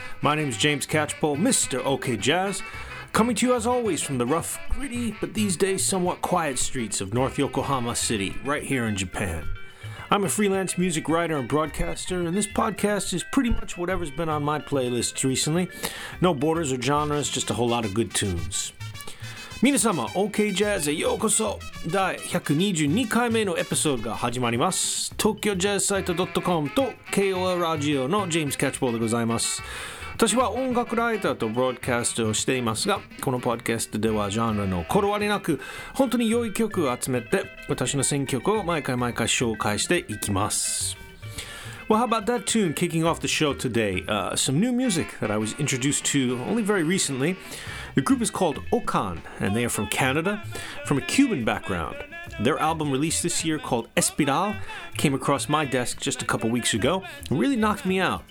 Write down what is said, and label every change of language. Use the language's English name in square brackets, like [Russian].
[English] My name is James Catchpole, Mr. OK Jazz, coming to you as always from the rough, gritty, but these days somewhat quiet streets of North Yokohama City, right here in Japan. I'm a freelance music writer and broadcaster, and this podcast is pretty much whatever's been on my playlists recently. No borders or genres, just a whole lot of good tunes. [Japanese] 皆様、OK Jazz へようこそ。第122回目のエピソードが始まります。 TokyoJazzSite.com と KOL Radio のジェームス・キャッチボールでございます。私は音楽ライターとブロードキャストをしていますが、このポッドキャストではジャンルのこだわりなく、本当に良い曲を集めて、私の選曲を毎回紹介していきます。 [English] Well, how about that tune kicking off the show today? Some new music that I was introduced to only very recently. The group is called Okan, and they are from Canada, from a Cuban background. Their album released this year called Espiral came across my desk just a couple weeks ago and really knocked me out.